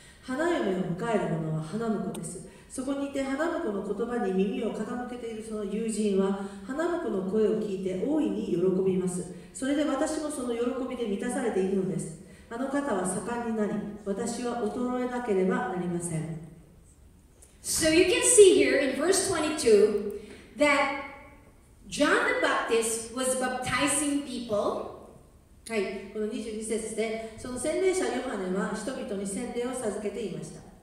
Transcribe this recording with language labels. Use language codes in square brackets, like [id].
[ja] 花嫁を迎える者は花婿です。そこにいて花婿の言葉に耳を傾けているその友人は花婿の声を聞いて大いに喜びます。それで私もその喜びで満たされているのです。あの方は盛んになり、私は衰えなければなりません。 [en] So you can see here in verse 22 that John the Baptist was baptizing people. [ja] はい、この22節でその洗礼者ヨハネは人々に洗礼を授けていました。